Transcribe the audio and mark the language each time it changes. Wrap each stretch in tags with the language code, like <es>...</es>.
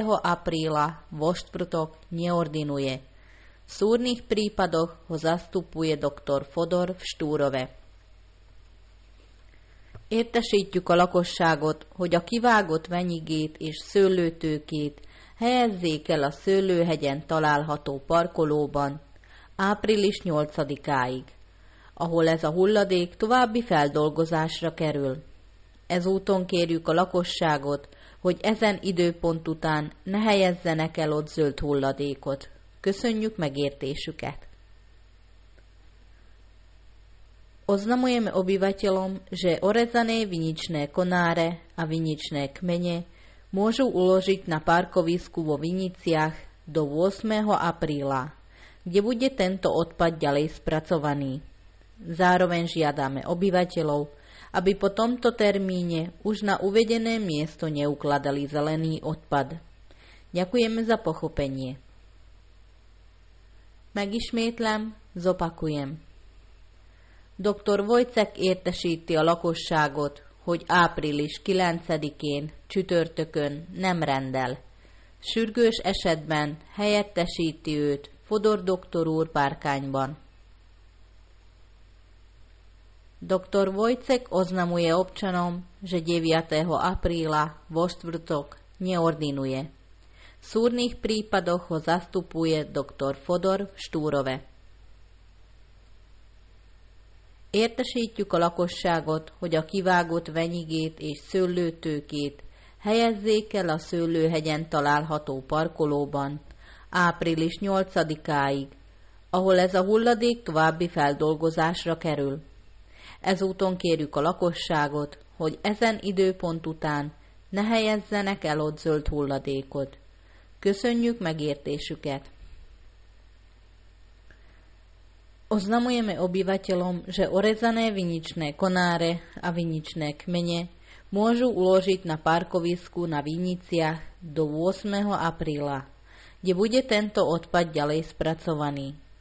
<sk>apríla vo štvrtok neordinuje. V súrnych prípadoch ho zastupuje dr. Fodor v Štúrove.</sk> <hu>Értesítjük a lakosságot, hogy a kivágott venyigét és szőlőtőkét helyezzék el a szőlőhegyen található parkolóban április 8-áig, ahol ez a hulladék további feldolgozásra kerül. Ezúton kérjük a lakosságot, hogy ezen időpont után ne helyezzenek el ott zöld hulladékot. Köszönjük megértésüket!</hu> <sk>Oznamujeme obyvateľom, že orezané viničné konáre a viničné kmene môžu uložiť na parkovisku vo Viniciach do 8. apríla, kde bude tento odpad ďalej spracovaný. Zároveň žiadame obyvateľov, aby po tomto termíne už na uvedené miesto neukladali zelený odpad. Ďakujeme za pochopenie.</sk> <hu>Megismétlem,</hu> <sk>zopakujem.</sk> <hu>Dr. Wojtek értesíti a lakosságot, hogy április 9-én, csütörtökön nem rendel. Sürgős esetben helyettesíti őt Fodor doktor úr Párkányban.</hu> <sk>Dr. Wojtek oznamuje občanom, že 9. apríla vo štvrtok neordinuje. V súrnych prípadoch ho zastupuje dr. Fodor v Štúrove.</sk> <hu>Értesítjük a lakosságot, hogy a kivágott venyigét és szőlőtőkét helyezzék el a szőlőhegyen található parkolóban április 8-áig, ahol ez a hulladék további feldolgozásra kerül. Ezúton kérjük a lakosságot, hogy ezen időpont után ne helyezzenek el ott zöld hulladékot. Köszönjük megértésüket!</hu> <sk>Oznamujeme obyvateľom, že orezané viničné konáre a viničné kmene môžu uložiť na parkovisku na Viniciach do 8. apríla, kde bude tento odpad ďalej spracovaný.</sk>